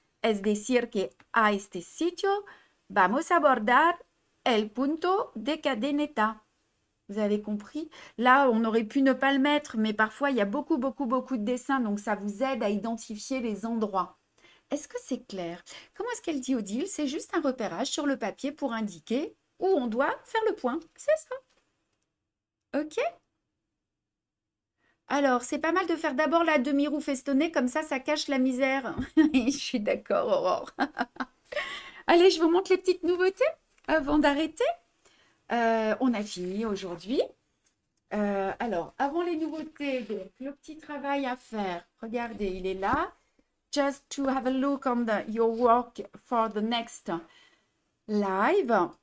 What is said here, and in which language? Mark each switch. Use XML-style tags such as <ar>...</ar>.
<es>Es decir que a este sitio vamos a abordar El punto de cadeneta.</es> <fr>Vous avez compris? Là, on aurait pu ne pas le mettre, mais parfois, il y a beaucoup, beaucoup, beaucoup de dessins, donc ça vous aide à identifier les endroits. Est-ce que c'est clair? Comment est-ce qu'elle dit Odile? C'est juste un repérage sur le papier pour indiquer où on doit faire le point. C'est ça. OK? Alors, c'est pas mal de faire d'abord la demi-roue festonnée, comme ça cache la misère. Je suis d'accord, Aurore. Allez, je vous montre les petites nouveautés. Avant d'arrêter, on a fini aujourd'hui. Alors, avant les nouveautés, donc, le petit travail à faire, regardez, il est là.</fr> <en>Just to have a look on your work for the next live.</en>